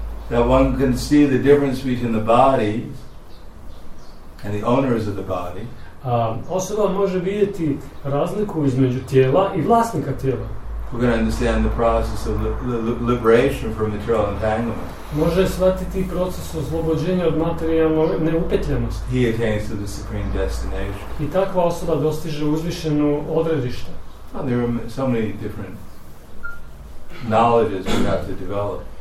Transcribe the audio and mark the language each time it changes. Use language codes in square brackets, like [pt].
[en] That one can see the difference between the body and the owners of the body. [hr] Osoba može vidjeti razliku između tijela i vlasnika tijela. [en] We can understand the process of liberation from material entanglement. [hr] Može shvatiti proces oslobođenja od materijalne neupetljenosti. [en] He attains to the supreme destination. [hr] I takva osoba dostiže uzvišeno odredište. [en] Well, there are so many different knowledges we have to develop.